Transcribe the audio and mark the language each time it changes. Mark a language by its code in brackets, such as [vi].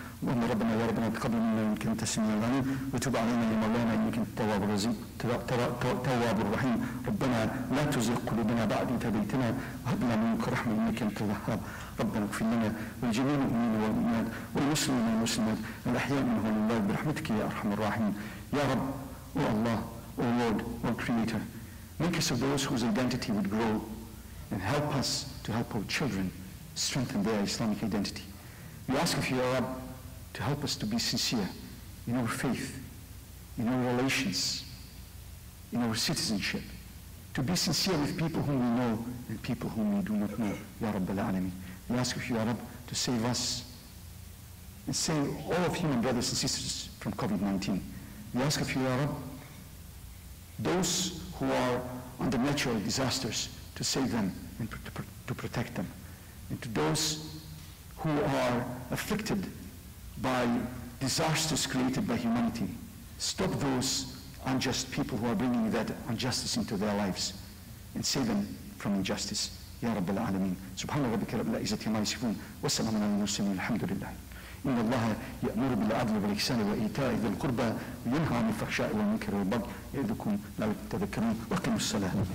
[ar] اللهم ربنا يا ربنا قبل منا إنك أنت السميع العليم وتب علينا يا مولانا إنك أنت التواب الرزيق التواب الرحيم. ربنا لا تزغ قلوبنا بعد إذ هديتنا وهب لنا منك رحمة إنك أنت الوهاب. ربنا اغفر لنا ولجميع المؤمنين والمؤمنات والمسلمين والمسلمات الأحياء منهم الله برحمتك يا أرحم الراحمين. يا رب و الله و [en] Lord و Creator, make us of those whose identity would grow and help us to help our children strengthen their Islamic identity. We ask of you, Ya Rab, to help us to be sincere in our faith, in our relations, in our citizenship, to be sincere with people whom we know and people whom we do not know, Ya Rab al-Alamin. We ask of you, Ya Rab, to save us and save all of human brothers and sisters from COVID-19. We ask of you, Ya Rab, those who are under natural disasters, to save them and to protect them. And to those who are afflicted by disasters created by humanity, stop those unjust people who are bringing that injustice into their lives and save them from injustice. [ar] Ya Rabbi al-Alamin. Subhanallah Rabbika Rabbil Izzati Amma Yasifun. Wassalamu ala al-Mursalin. Alhamdulillah. إن الله يأمر بالعدل والإحسان وإيتاء ذي القربى وينهى عن الفحشاء والمنكر والبغي يعظكم لعلكم تذكرون وأقيموا الصلاة.